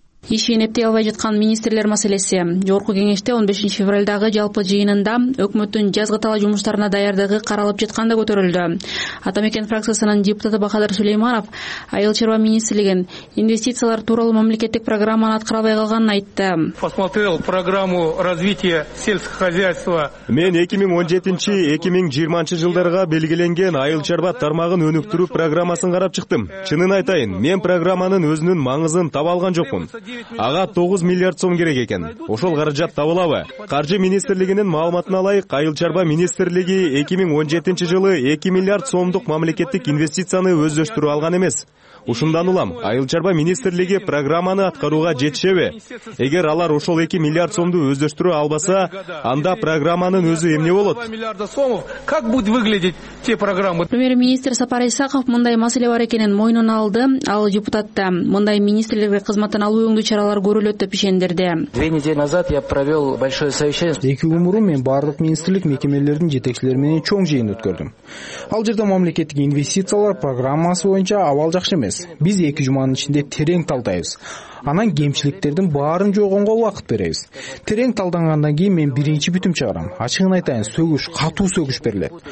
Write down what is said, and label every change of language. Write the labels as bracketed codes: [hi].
[ky] Ишин эптей албай жаткан министрлер маселеси. Жогорку кеңеште 15 февралдагы жалпы жыйынында өкмөттүн жазгы талаа жумуштарына даярдыгы каралып жатканда көтөрүлдү. Атамекен фракциясынын депутаты Бахадыр Сүлейманов айыл чарба министрлигин инвестициялар тууралуу мамлекеттик программаны аткара албай калганын айтты. [ru] Посмотрел программу развития сельского хозяйства. [ky] Мен 2017-2020 жылдарга белгиленген айыл чарба тармагын өнүктүрүү программасын карап чыктым. Чынын айтайын, мен программанын өзүнүн маңызын таба алган жокмун. Ага 9 миллиард сом керек экен. Ошол каражат табылабы? Каржы министрлигинин маалыматына ылайык, айыл чарба министрлиги 2017 жылы 2 миллиард сомдук мамлекеттик инвестицияны өздөштүрүп алган эмес. Ушундан улам айыл чарба министрлиги программаны аткарууга жетишеби? Эгер алар ошол 2 миллиард сомду өздөштүрүп албаса, анда программанын өзү эмне болот? [ru] Как будет выглядеть те программы? [ky] Премьер-министр Сапар Исаков мындай маселе бар экенин мойнуна алды. Ал депутатта мындай министрлерге кызматтан алуу өңдүү чаралар көрүлөт деп ишендирди. [ru] 2 недели назад я провел большое совещание. [ky] 2 күн мурун мен бардык министрлик мекемелердин жетекчилери менен чоң жыйын өткөрдүм. Ал жерде мамлекеттик инвестициялар программасы боюнча абал жакшы эмес. беребиз. Биз 2 жуманын ичинде терең талдайбыз. Анан кемчиликтердин баарын жойгонго убакыт беребиз. Терең талдангандан кийин мен биринчи бүтүм чыгарам. Ачыгын айтайын, сөгүш, катуу сөгүш берилет.